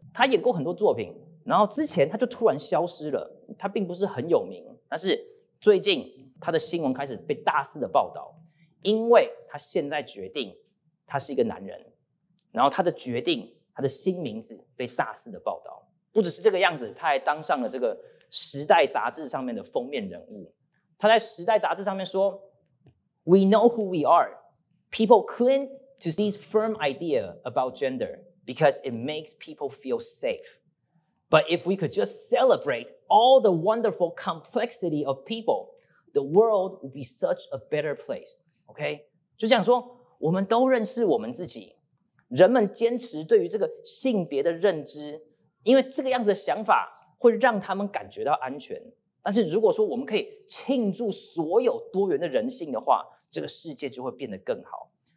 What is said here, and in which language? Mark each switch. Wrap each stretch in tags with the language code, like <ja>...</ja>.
<zh>他演过很多作品，然后之前他就突然消失了，他并不是很有名，但是最近他的新闻开始被大肆的报道，因为他现在决定他是一个男人，然后他的决定，他的新名字被大肆的报道。不只是这个样子，他还当上了这个《时代》杂志上面的封面人物。他在《时代》杂志上面说 ：</zh> <en>“We know who we are. People cling to this firm idea about gender because it makes people feel safe. But if we could just celebrate all the wonderful complexity of people, the world would be such a better place.”</en> <zh>OK， 就讲说，我们都认识我们自己，人们坚持对于这个性别的认知。因为这个样子的想法会让他们感觉到安全，但是如果说我们可以庆祝所有多元的人性的话，这个世界就会变得更好。</zh>